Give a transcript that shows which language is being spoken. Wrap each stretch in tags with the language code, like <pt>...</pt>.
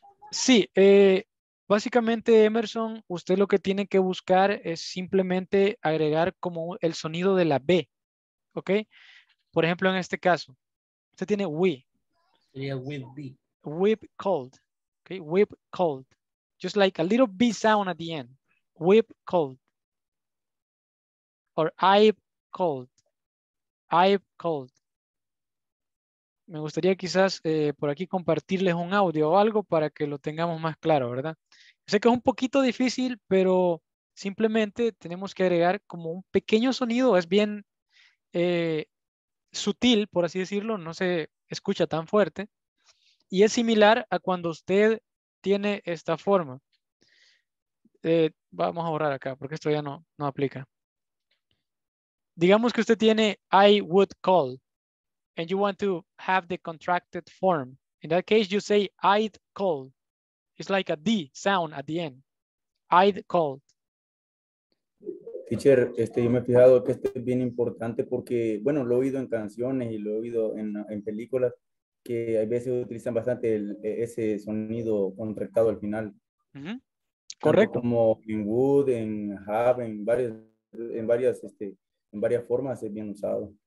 <es>Sí, básicamente, Emerson, usted lo que tiene que buscar es simplemente agregar como el sonido de la B. Ok. Por ejemplo, en este caso, usted tiene we.</es> <en>Sería with B. We've called. Okay. We've called. Just like a little B sound at the end. We've called. Or I've called. I've called.</en> <es>Me gustaría quizás por aquí compartirles un audio o algo para que lo tengamos más claro, ¿verdad? Sé que es un poquito difícil, pero simplemente tenemos que agregar como un pequeño sonido. Es bien sutil, por así decirlo. No se escucha tan fuerte. Y es similar a cuando usted tiene esta forma. Vamos a borrar acá porque esto ya no aplica. Digamos que usted tiene</es> <en>I would call. And you want to have the contracted form. In that case, you say, I'd called. It's like a D sound at the end. I'd called.</en> <es>Teacher, yo me he fijado que esto es bien importante porque, bueno, lo he oído en canciones y lo he oído en películas que a veces utilizan bastante ese sonido contractado al final. Mm-hmm. Correcto. Como en would, en have, en varias formas es bien usado.</es>